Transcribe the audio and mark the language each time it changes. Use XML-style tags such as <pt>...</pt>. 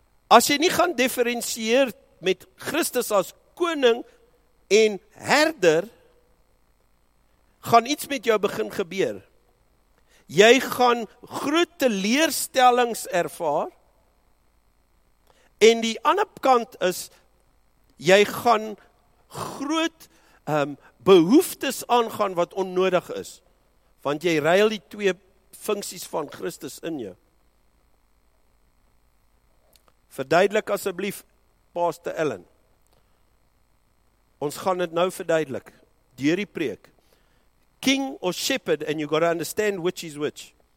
<af>As jy nie gaan differensieer met Christus as koning en herder, gaan iets met jou begin gebeur. Jy gaan groot teleurstellings ervaar en die ander kant is, jy gaan groot behoeftes aangaan wat onnodig is, want jy ruil die twee funksies van Christus in jou. Verduidelik asseblief, Pastor Alan. Ons gaan dit nou verduidelik, deur die preek.</af> <en>King or shepherd, and you've got to understand which is which.</en>